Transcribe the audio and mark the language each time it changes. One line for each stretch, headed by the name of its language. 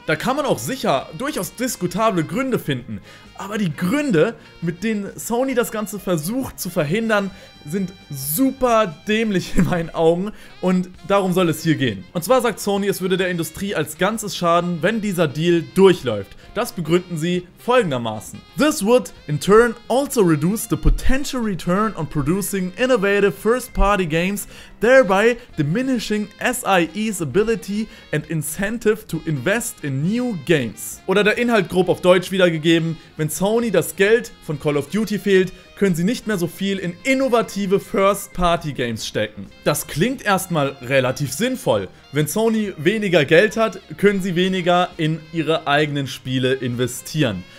German: Da kann man auch sicher durchaus diskutable Gründe finden, aber die Gründe, mit denen Sony das Ganze versucht zu verhindern, sind super dämlich in meinen Augen und darum soll es hier gehen. Und zwar sagt Sony, es würde der Industrie als Ganzes schaden, wenn dieser Deal durchläuft. Das begründen sie folgendermaßen.
English: This would in turn also reduce the potential return on producing innovative first-party games, thereby diminishing SIE's ability and incentive to invest in new games.
German: Oder der Inhalt grob auf Deutsch wiedergegeben, wenn Sony das Geld von Call of Duty fehlt, können sie nicht mehr so viel in innovative First-Party-Games stecken. Das klingt erstmal relativ sinnvoll. Wenn Sony weniger Geld hat, können sie weniger in ihre eigenen Spiele investieren.